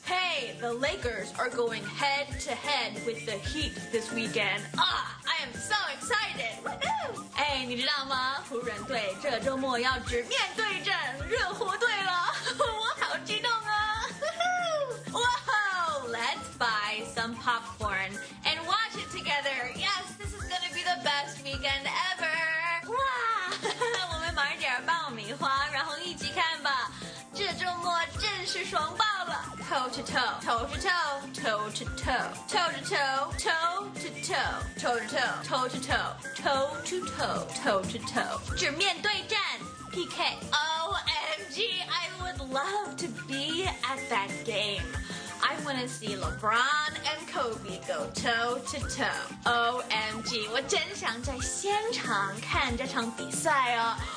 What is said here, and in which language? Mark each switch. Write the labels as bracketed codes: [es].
[en] Hey, the Lakers are going head to head with the Heat this weekend. Ah, I am so excited! Woohoo! Hey, [zh] 你知道吗？湖人队这周末要直面对阵热火队了，我好激动啊！ [en] Woohoo! Let's buy some popcorn and watch it together. Yes, this is gonna be the best weekend ever. [zh] 哇，我们买点爆米花，然后一起看吧。这周末真是爽爆！ Toe to toe, 直面对战 PK. [en] OMG, I would love to be at that game. I want to see LeBron and Kobe go toe to toe. [zh] OMG, 我真想在现场看这场比赛哦。